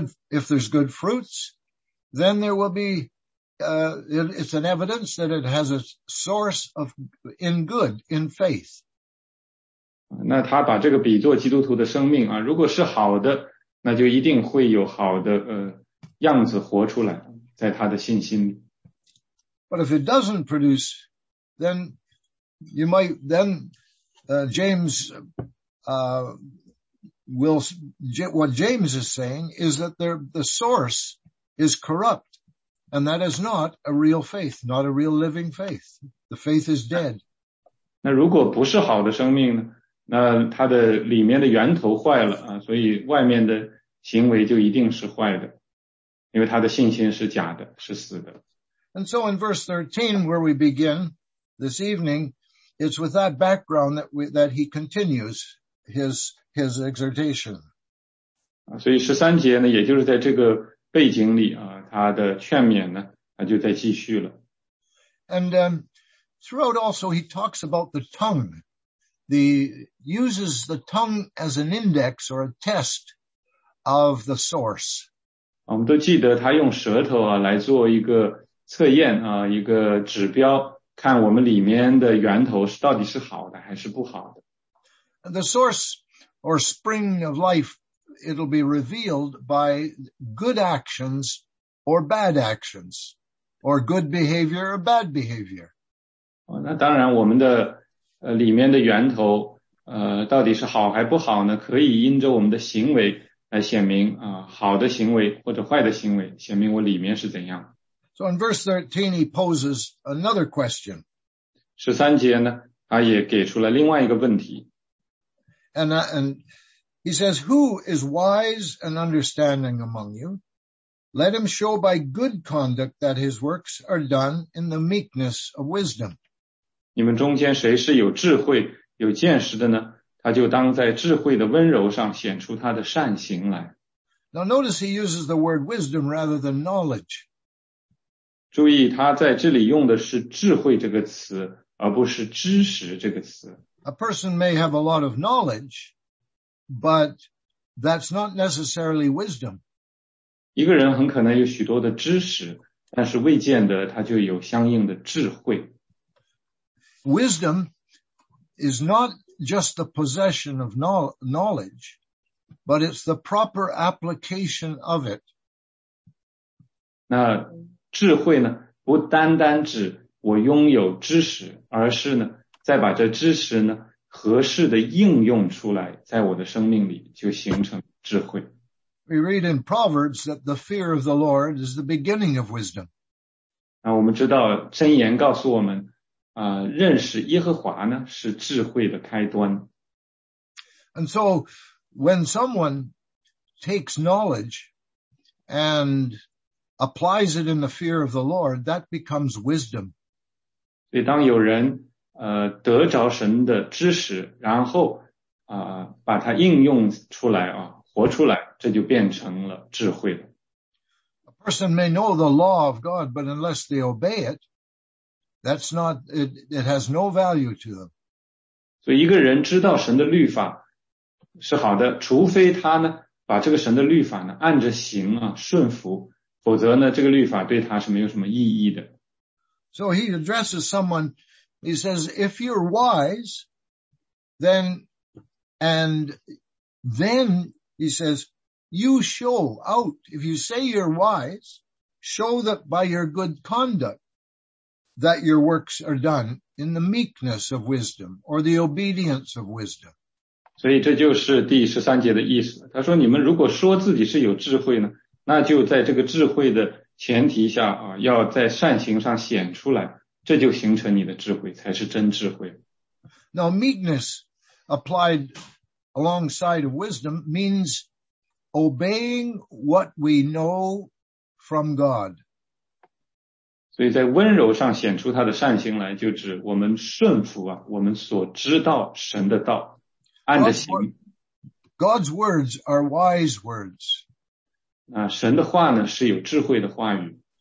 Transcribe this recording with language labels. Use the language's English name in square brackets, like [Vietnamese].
[English] If there's good fruits, then there will be, it's an evidence that it has a source of, in good, in faith. [Chinese] 那他把这个比作基督徒的生命啊，如果是好的，那就一定会有好的样子活出来，在他的信心里。 [English] But if it doesn't produce, then you might, then, James, what James is saying is that the source is corrupt, and that is not a real faith, not a real living faith. The faith is dead. [Chinese] 那如果不是好的生命呢？那它的里面的源头坏了啊，所以外面的行为就一定是坏的，因为他的信心是假的，是死的。 [English] And so in verse 13, where we begin this evening, it's with that background that he continues his exhortation. [Chinese] 所以13节呢，也就是在这个背景里啊，他的劝勉呢，他就在继续了。 [English] And throughout also he talks about the tongue. He uses the tongue as an index or a test of the source. [Chinese] 我们都记得他用舌头啊来做一个测验啊，一个指标，看我们里面的源头是到底是好的还是不好的。 [English] The source or spring of life, it'll be revealed by good actions, or good behavior or bad behavior. [Chinese] 那当然我们的里面的源头到底是好还不好呢，可以因着我们的行为来显明好的行为或者坏的行为，显明我里面是怎样。 [English] So in verse 13, he poses another question. [Chinese] 13节呢，他也给出了另外一个问题。 [English] And he says, who is wise and understanding among you? Let him show by good conduct that his works are done in the meekness of wisdom. [Chinese] 你们中间谁是有智慧、有见识的呢？他就当在智慧的温柔上显出他的善行来。 [English] Now notice he uses the word wisdom rather than knowledge. [Chinese] 注意他在这里用的是智慧这个词，而不是知识这个词。 [English] A person may have a lot of knowledge, but that's not necessarily wisdom. [Chinese] 一个人很可能有许多的知识，但是未见得他就有相应的智慧。 [English] Wisdom is not just the possession of knowledge, but it's the proper application of it. [Chinese] 那智慧呢，不单单指我拥有知识，而是呢，再把这知识呢，合适的应用出来，在我的生命里就形成智慧。 [English] We read in Proverbs that the fear of the Lord is the beginning of wisdom. [Chinese] 那我们知道箴言告诉我们，认识耶和华呢是智慧的开端。 [English] And so, when someone takes knowledge and applies it in the fear of the Lord, that becomes wisdom. [Chinese] 所以当有人得着神的知识，然后把它应用出来啊，活出来，这就变成了智慧了。 [English] A person may know the law of God, but unless they obey it, that's not it has no value to them. [Chinese] 所以一个人知道神的律法是好的，除非他呢把这个神的律法呢按着行啊，顺服，否则呢这个律法对他是没有什么意义的。 [English] So he addresses someone. He says, if you're wise, then he says, you show out. If you say you're wise, show that by your good conduct that your works are done in the meekness of wisdom or the obedience of wisdom. [Chinese] 所以这就是第十三节的意思。他说你们如果说自己是有智慧呢，那就在这个智慧的前提下啊，要在善行上显出来。这就形成你的智慧，才是真智慧。 [English] Now meekness applied alongside of wisdom means obeying what we know from God. [Chinese] 所以在温柔上显出他的善行来，就指我们顺服啊，我们所知道神的道，按着行。 [English] God's words are wise words. [Chinese] 那神的话呢，是有智慧的话语。